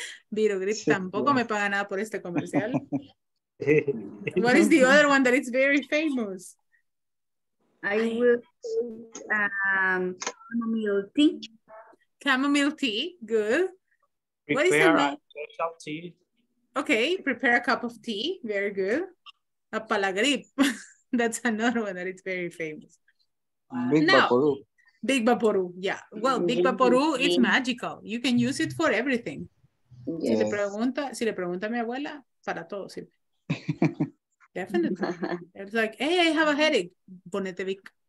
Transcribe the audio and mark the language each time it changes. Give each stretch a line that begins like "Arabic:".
Spanish: Virogrip tampoco me paga nada por este comercial.
English: What is the other one that is very famous? I will chamomile tea. Chamomile tea, good. Prepare what is the name? A special tea. Okay, prepare a cup of tea, very good. A palagrip, that's another one that is very famous. Big Vaporu. Big Vaporu, yeah. Well, Big Vaporu is magical. You can use it for everything. Yes.
Spanish: Si le pregunta a mi abuela, para todo sirve.
English: Definitely. It's like, hey, I have a headache,
Spanish: ponete Vic.